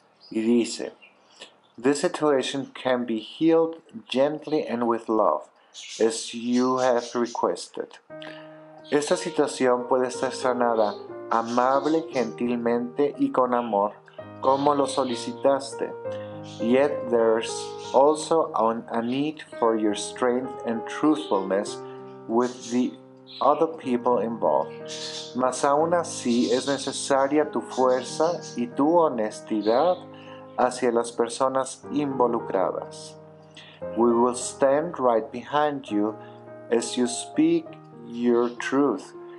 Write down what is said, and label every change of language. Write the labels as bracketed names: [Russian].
[Spanish] Y dice, [English] this situation can be healed gently and with love, as you have requested. [Spanish] Esta situación puede ser sanada amable, gentilmente y con amor, como lo solicitaste. [English] Yet there's also a need for your strength and truthfulness with the other people involved. [Spanish] Mas aún así es necesaria tu fuerza y tu honestidad hacia las personas involucradas. [English] We will stand right behind you as you speak your truth.